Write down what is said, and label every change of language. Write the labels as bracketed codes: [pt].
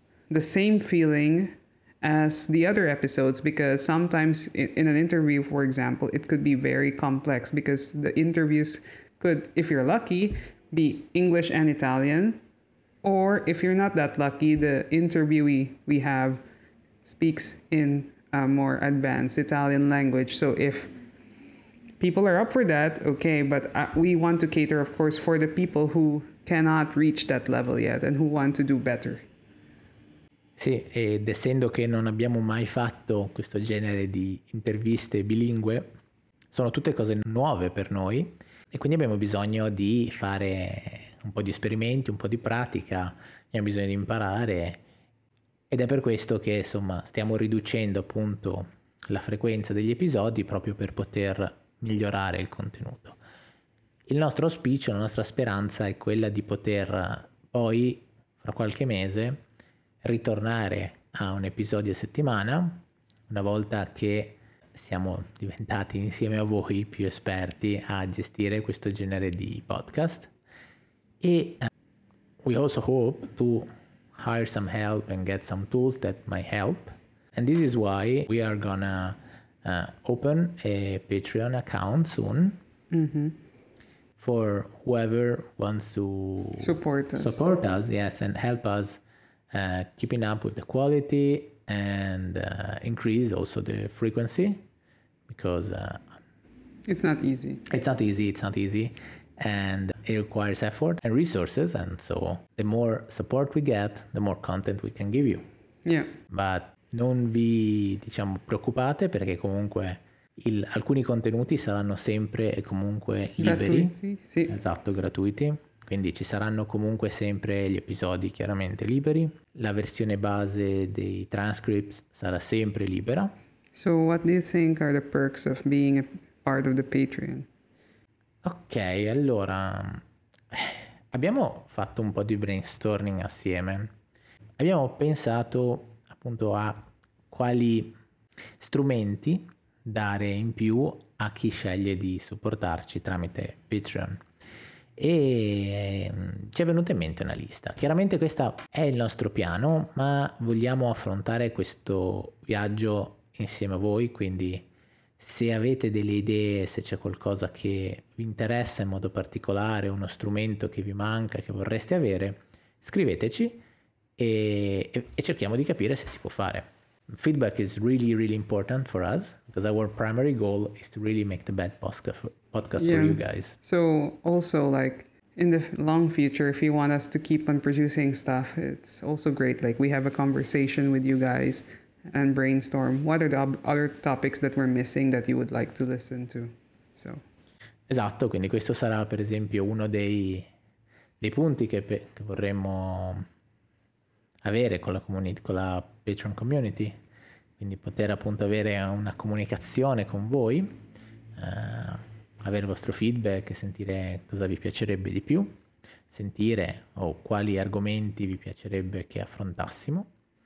[en] the same feeling as the other episodes, because sometimes in an interview, for example, it could be very complex, because the interviews could, if you're lucky, be English and Italian, or if you're not that lucky, the interviewee we have speaks in a more advanced Italian language. So if people are up for that, okay, but we want to cater, of course, for the people who cannot reach that level yet and who want to do better. [it] Sì, ed essendo che non abbiamo mai fatto questo genere di interviste bilingue, sono tutte cose nuove per noi e quindi abbiamo bisogno di fare un po' di esperimenti, un po' di pratica, abbiamo bisogno di imparare, ed è per questo che insomma stiamo riducendo appunto la frequenza degli episodi, proprio per poter migliorare il contenuto. Il nostro auspicio, la nostra speranza è quella di poter poi, fra qualche mese, ritornare a un episodio a settimana, una volta che siamo diventati insieme a voi più esperti a gestire questo genere di podcast. [en] E we also hope to hire some help and get some tools that might help. And this is why we are gonna open a Patreon account soon, mm-hmm. for whoever wants to support us, yes, and help us keeping up with the quality and increase also the frequency, because it's not easy, and it requires effort and resources, and so the more support we get, the more content we can give you. Yeah, [it] but non vi diciamo preoccupate, perché comunque alcuni contenuti saranno sempre e comunque liberi, gratuiti, sì. Esatto, gratuiti, quindi ci saranno comunque sempre gli episodi chiaramente liberi, la versione base dei transcripts sarà sempre libera. [en] So what do you think are the perks of being a part of the Patreon? [it] Ok, allora abbiamo fatto un po' di brainstorming assieme, abbiamo pensato appunto a quali strumenti dare in più a chi sceglie di supportarci tramite Patreon, e ci è venuta in mente una lista. Chiaramente questa è il nostro piano, ma vogliamo affrontare questo viaggio insieme a voi, quindi se avete delle idee, se c'è qualcosa che vi interessa in modo particolare, uno strumento che vi manca, che vorreste avere, scriveteci e cerchiamo di capire se si può fare. [en] Feedback is really, really important for us, because our primary goal is to really make the best podcast for you guys. So also, like, in the long future, if you want us to keep on producing stuff, it's also great. Like, we have a conversation with you guys and brainstorm what are the other topics that we're missing that you would like to listen to. So. [it] Esatto, quindi questo sarà, per esempio, uno dei punti che vorremmo avere con la community, con la Patreon community, quindi poter appunto avere una comunicazione con voi, avere il vostro feedback, sentire cosa vi piacerebbe di più sentire o quali argomenti vi piacerebbe che affrontassimo.